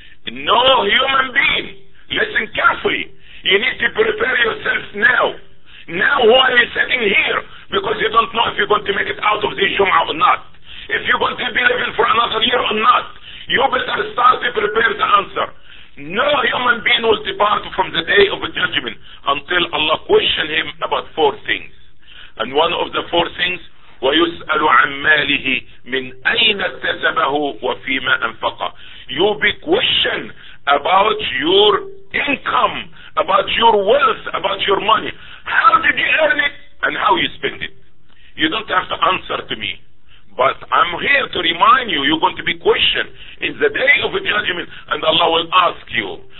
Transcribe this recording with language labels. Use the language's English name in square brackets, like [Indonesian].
[English] No human being, listen carefully, you need to prepare yourself now who are you sitting here, because you don't know if you're going to make it out of this Jum'ah or not, if you're going to be living for another year or not. You better start to prepare the answer. No human being will depart from the day of judgment until Allah question him about four things. And one of the four things, [Arabic] وَيُسْأَلُ عَنْ مَالِهِ مِنْ أَيْنَ اكْتَسَبَهُ وَفِيمَا أَنْفَقَهُ. [English] You'll be questioned about your income, about your wealth, about your money. How did you earn it and how you spend it? You don't have to answer to me, but I'm here to remind you, you're going to be questioned in the day of judgment, and Allah will ask you.